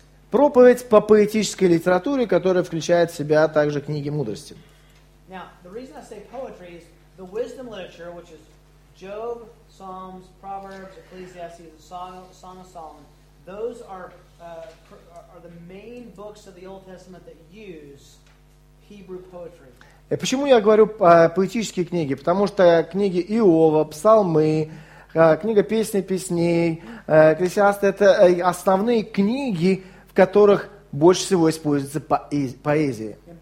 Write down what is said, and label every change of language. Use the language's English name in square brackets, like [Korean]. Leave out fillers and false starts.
[Russian] Проповедь по поэтической литературе, которая включает в себя также книги мудрости. [English] Now, the reason I say poetry is the wisdom literature, which is Job, Psalms, Proverbs, Ecclesiastes, and Song of Solomon, those are are the main books of the Old Testament that use Hebrew poetry. [Russian] Почему я говорю поэтические книги? Потому что книги Иова, Псалмы, книга Песни Песней, Экклесиаст – это основные книги, в которых больше всего используется поэзия.